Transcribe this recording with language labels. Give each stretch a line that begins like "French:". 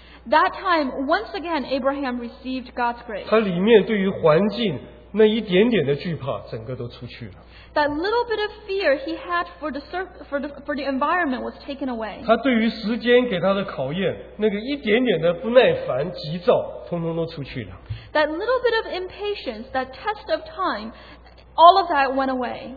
English: That time, once again, Abraham received God's grace.
Chinese: 他里面对于环境那一点点的惧怕,
English: that little bit of fear he had for the environment was taken away.
Chinese: 他对于时间给他的考验, 那个一点点的不耐烦急躁,
English: that little bit of impatience, that test of time, all of that went away.